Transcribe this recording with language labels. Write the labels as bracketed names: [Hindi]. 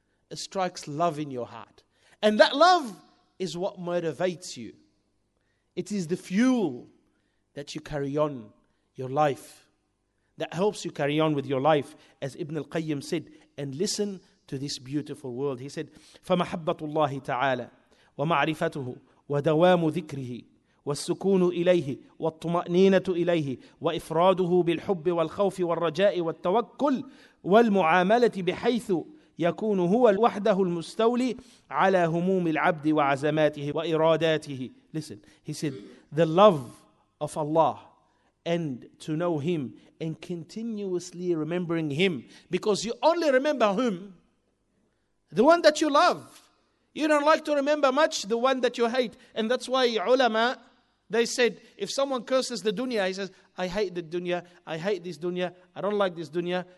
[English] It strikes love in your heart. And that love is what motivates you. It is the fuel that you carry on your life, that helps you carry on with your life. As Ibn al-Qayyim said, and listen to this beautiful world. He said, [Arabic] فَمَحَبَّةُ اللَّهِ تَعَالَى وَمَعْرِفَتُهُ ودوام ذكره والسكون إليه والطمأنينة إليه وإفراده بالحب والخوف والرجاء والتوكل والمعاملة بحيث يكون هو وحده المستولي على هموم العبد وعزماته وإراداته. [English] Listen, he said, the love of Allah and to know Him and continuously remembering Him, because you only remember whom? The one that you love. You don't like to remember much the one that you hate. And that's why ulama, they said, if someone curses the dunya, he says, I hate the dunya, I hate this dunya, I don't like this dunya.